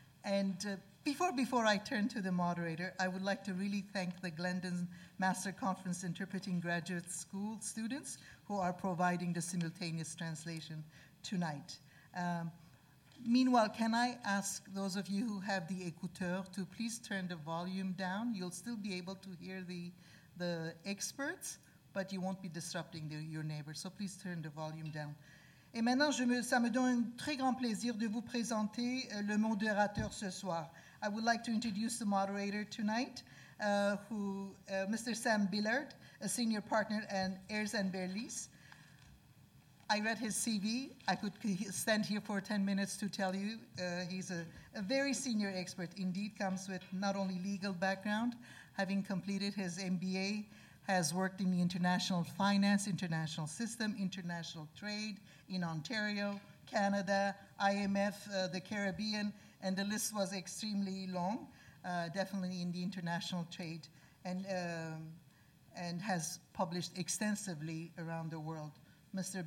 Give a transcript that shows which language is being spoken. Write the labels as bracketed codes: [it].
[en] And before I turn to the moderator, I would like to really thank the Glendon Master Conference Interpreting Graduate School students who are providing the simultaneous translation tonight. Meanwhile, can I ask those of you who have the écouteur to please turn the volume down? You'll still be able to hear the experts, but you won't be disrupting your neighbors. So please turn the volume down. [fr] Et maintenant, ça me donne un très grand plaisir de vous présenter le modérateur ce soir. [en] I would like to introduce the moderator tonight, Mr. Sam Billard, a senior partner at Ayres & Berlies. I read his CV. I could stand here for 10 minutes to tell you. He's a very senior expert. Indeed, comes with not only legal background, having completed his MBA, has worked in the international finance, international system, international trade in Ontario, Canada, IMF, the Caribbean, and the list was extremely long, definitely in the international trade, and has published extensively around the world. Mr.